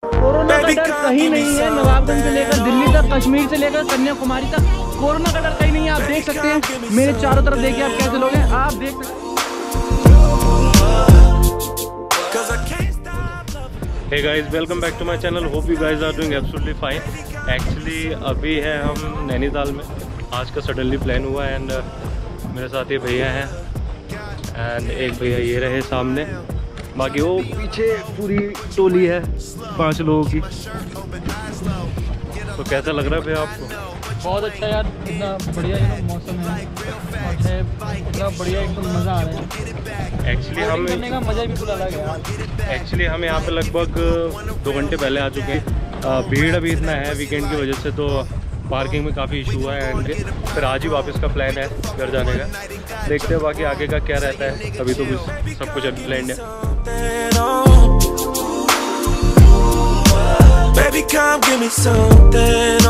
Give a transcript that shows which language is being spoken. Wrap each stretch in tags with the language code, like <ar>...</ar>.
<hi>Corona का डर कहीं नहीं है, नवाबगंज से लेकर दिल्ली तक, कश्मीर से लेकर कन्याकुमारी तक कोरोना का डर कहीं नहीं है। आप देख सकते हैं मेरे चारों तरफ, देखिए आप कैसे लोग हैं, आप देख सकते हैं।</hi> <en>Hey guys, welcome back to my channel. Hope you guys are doing absolutely fine.</en> <hi>Actually, अभी है हम नैनीताल में, आज का suddenly plan हुआ है, and मेरे साथ ये भैया हैं, and एक भैया ये रहे सामने, बाकी वो पीछे पूरी टोली है पांच लोगों की। तो कैसा लग रहा है भैया आपको? बहुत अच्छा यार, इतना बढ़िया मौसम है, इतना बढ़िया, एकदम मज़ा आ रहा है। एक्चुअली हम करने का मज़ा भी पूरा अलग है। एक्चुअली हम यहाँ पे लगभग 2 घंटे पहले आ चुके हैं, भीड़ अभी इतना है वीकेंड की वजह से, तो पार्किंग में काफ़ी इशू हुआ है, एंड फिर आज ही वापस का प्लान है घर जाने का, देखते हैं बाकी आगे का क्या रहता है, अभी तो कुछ सब कुछ अभी प्लान है।</hi> <en>Baby, come give me something</en>